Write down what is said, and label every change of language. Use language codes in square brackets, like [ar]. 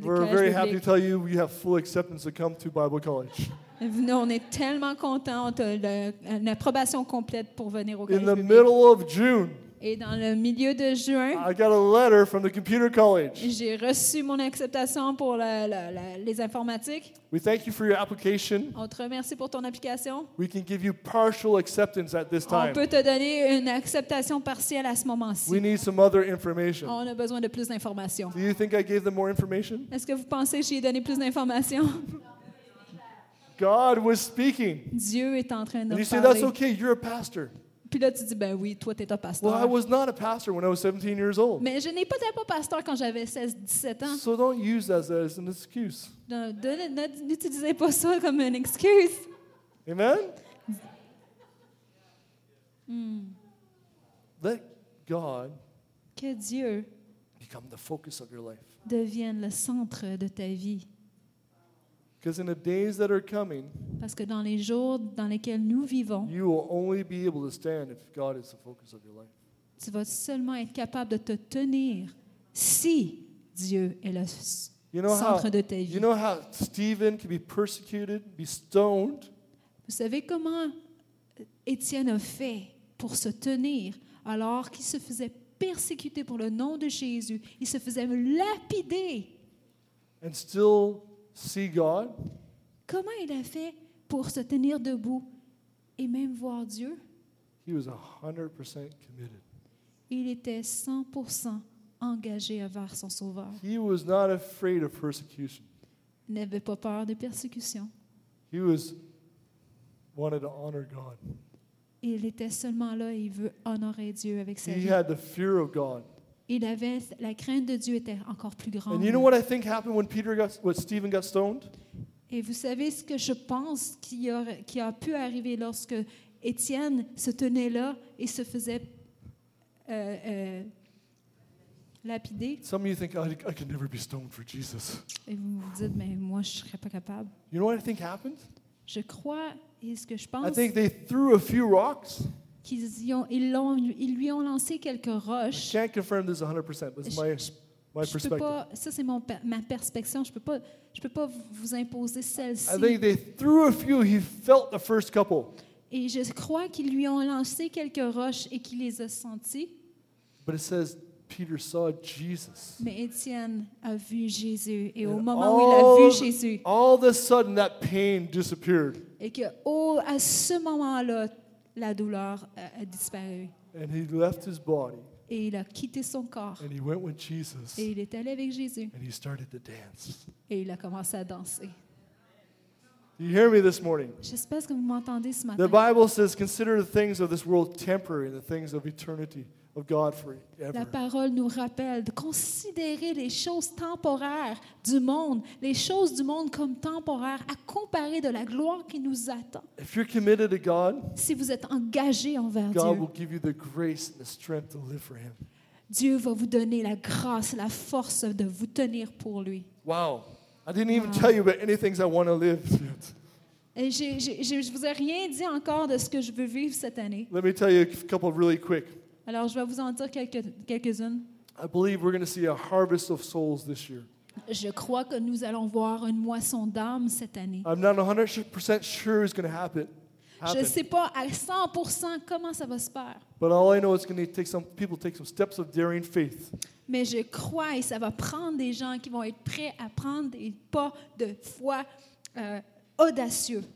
[en] We're very happy to tell you we have full acceptance to come to Bible College. [fr] Venez, on est tellement content, une approbation complète pour venir au collège. [en] In the middle of June. [fr] Et dans le milieu de juin. [en] I got a letter from the Computer College. [fr] J'ai reçu mon acceptation pour les informatiques. [en] We thank you for your application. [fr] On te remercie pour ton application. [en] We can give you partial acceptance at this time. [fr] On peut te donner une acceptation partielle à ce moment-ci. [en] We need some other information. [fr] On a besoin de plus d'informations. [en] Do you think I gave them more information? [fr] Est-ce que vous pensez que j'ai donné plus d'informations? [en] God was speaking. [fr] Dieu est en train de parler. [en] You say that's okay. You're a pastor. [fr] Puis là, tu dis, ben oui, toi, t'es un pasteur. [en] Well, I was not a pastor when I was 17 years old. [fr] Mais je n'étais pas pasteur quand j'avais 16-17 ans. [en] So don't use that as an excuse. [fr] N'utilisez pas ça comme une excuse. [en] Amen? Let God [fr] que Dieu [en] become the focus of your life. [fr] Devienne le centre de ta vie. [en] Because in the days that are coming, [fr] parce que dans les jours dans lesquels nous vivons, [en] you will only be able to stand if God is the focus of your life. [fr] Tu vas seulement être capable de te tenir si Dieu est le centre de ta vie. [en] You know how Stephen could be persecuted, be stoned. [fr] Vous savez comment Étienne a fait pour se tenir alors qu'il se faisait persécuter pour le nom de Jésus, il se faisait lapider. [en] And still see God. [fr] Comment il a fait pour se tenir debout et même voir Dieu? [en] He was 100% committed. [fr] Il était 100% engagé à voir son Sauveur. [en] He was not afraid of persecution. [fr] Il n'avait pas peur de persécution. [en] He was wanted to honor God. [fr] Il était seulement là et il veut honorer Dieu avec sa [en] he [fr] vie. [en] He had the fear of God. [fr] Il avait, la crainte de Dieu était encore plus grande. [en] And you know what I think happened when Peter got, when Stephen got stoned? [fr] Et vous savez ce que je pense qui a pu arriver lorsque Étienne se tenait là et se faisait lapider? [en] Some of you think I can never be stoned for Jesus. [fr] Et vous vous dites, mais moi je serais pas capable. [en] You know what I think happened? [fr] Je crois et ce que je pense. [en] I think they threw a few rocks. [fr] Ils lui ont lancé quelques roches. [en] I can't confirm this 100%, but it's my perspective. [fr] Ça c'est ma perspective. Je peux pas vous imposer celle-ci. [en] I think they threw a few. He felt the first couple. [fr] Et je crois qu'ils lui ont lancé quelques roches et qu'il les a senties. [en] But it says Peter saw Jesus. [fr] Mais Étienne a vu Jésus et au moment où il a vu Jésus, [en] all of a sudden that pain disappeared. [fr] Et que oh, à ce moment-là. La douleur a disparu. [en] And he left his body. [fr] Et il a quitté son corps. [en] And he went with Jesus. [fr] Et il est allé avec Jésus. [en] And he started to dance. [fr] Et il a commencé à danser. [en] Do you hear me this morning? [fr] J'espère que vous m'entendez ce matin. [en] The Bible says, consider the things of this world temporary and the things of eternity of God forever. [fr] La parole nous rappelle de considérer les choses temporaires du monde, les choses du monde comme temporaires, à comparer de la gloire qui nous attend. [en] If you're committed to God, [fr] si vous êtes engagé envers [en] God [fr] Dieu, [en] will give you the grace and the strength to live for him. [fr] Dieu va vous donner la grâce, la force de vous tenir pour lui. [en] Wow. I didn't even tell you about anything I want to live yet. [fr] Et je vous ai rien dit encore de ce que je veux vivre cette année. [en] Let me tell you a couple really quick. [fr] Alors, je vais vous en dire quelques-unes. [en] I believe we're going to see a harvest of souls this year. [fr] Je crois que nous allons voir une moisson d'âmes cette année. [en] I'm not 100% sure it's going to happen. [fr] Je ne sais pas à 100% comment ça va se faire. [en] But all I know is it's going to take some people take some steps of daring faith. [fr] Mais je crois et ça va prendre des gens qui vont être prêts à prendre des pas de foi audacieux.